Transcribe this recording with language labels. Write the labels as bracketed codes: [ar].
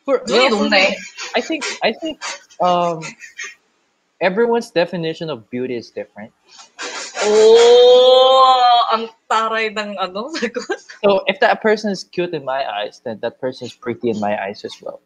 [en] I think everyone's definition of beauty is different. [tl] Oh, ang taray ng ano, sagot. [en] So, if that person is cute in my eyes, then that person is pretty in my eyes as well.